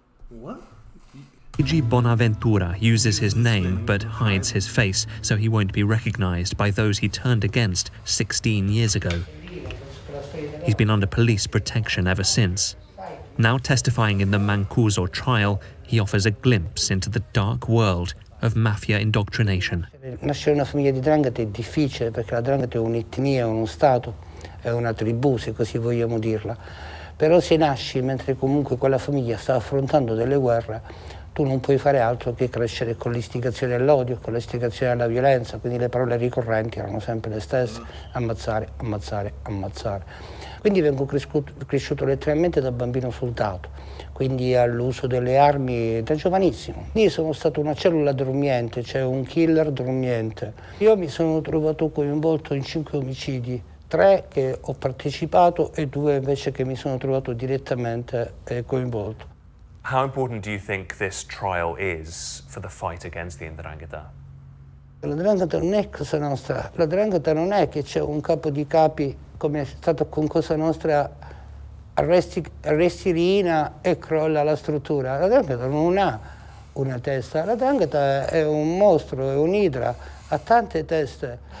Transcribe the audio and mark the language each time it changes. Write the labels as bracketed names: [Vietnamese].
[English] Luigi Bonaventura uses his name but hides his face so he won't be recognized by those he turned against 16 years ago. He's been under police protection ever since. Now testifying in the Mancuso trial, he offers a glimpse into the dark world of mafia indoctrination. [Italian] Nascere in una famiglia di 'ndrangheta è difficile perché la 'ndrangheta è un'etnia, uno stato, è una tribù, se così vogliamo dirla. Però se nasci mentre comunque quella famiglia sta affrontando delle guerre, tu non puoi fare altro che crescere con l'istigazione all'odio, con l'istigazione alla violenza, quindi le parole ricorrenti erano sempre le stesse, ammazzare, ammazzare, ammazzare. Quindi vengo cresciuto letteralmente da bambino soldato, quindi all'uso delle armi da giovanissimo. Io sono stato una cellula dormiente, cioè un killer dormiente. Io mi sono trovato coinvolto in 5 omicidi, 3 che ho partecipato e 2 invece che mi sono trovato direttamente coinvolto. [English] How important do you think this trial is for the fight against the 'ndrangheta? [Italian] La 'ndrangheta non è cosa nostra. La 'ndrangheta non è che c'è un capo di capi come è stato con cosa nostra, arresti Rina e crolla la struttura. La 'ndrangheta non ha una testa. La 'ndrangheta è un mostro, è un'idra, ha tante teste.